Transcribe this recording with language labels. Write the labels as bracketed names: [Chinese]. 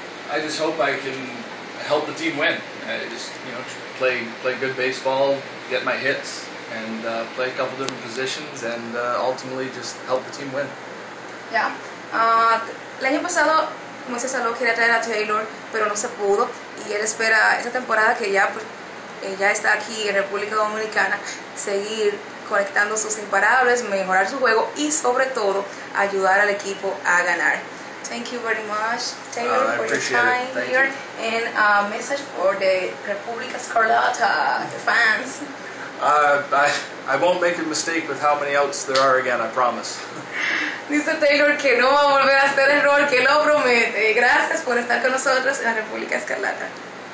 [English] I just hope I can help the team win. Just play good baseball, get my hits, and play a couple different positions, and ultimately just help the team win. Yeah. [Spanish] El año pasado Moises Alou quería traer a Taylor, pero no se pudo, y él espera esta temporada que ya, ya está aquí en República Dominicana, seguir conectando sus imparables, mejorar su juego y sobre todo ayudar al equipo a ganar. [English] Thank you very much, Taylor, for your time here. And a message for the República Escarlata, the fans. I won't make a mistake with how many outs there are again, I promise. [Spanish] Dice Taylor que no va a volver a hacer error, que lo promete. Gracias por estar con nosotros en la República Escarlata.